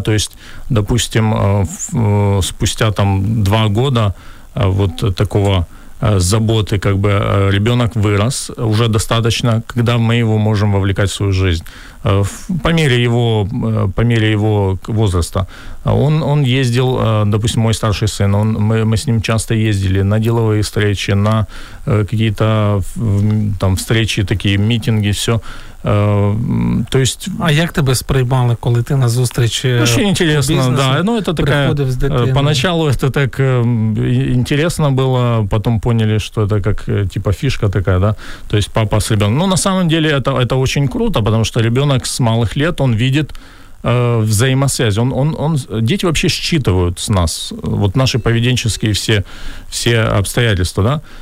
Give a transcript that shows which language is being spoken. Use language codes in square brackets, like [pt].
[ru] То есть, допустим, спустя там 2 года вот такого заботы, как бы ребенок вырос уже достаточно, когда мы его можем вовлекать в свою жизнь. По мере его возраста. Он ездил, допустим, мой старший сын, мы с ним часто ездили на деловые встречи, на какие-то там встречи, такие митинги, все. То есть... [uk] А як тебе сприймали, коли ти на зустрічі? [ru] Очень интересно, да. Ну, это такая... Поначалу это так интересно было, потом поняли, что это как типа фишка такая, да? То есть папа с ребенком. Ну, на самом деле это очень круто, потому что ребенок с малых лет, он видит взаимосвязи. Он, дети вообще считывают с нас вот наши поведенческие все обстоятельства, да?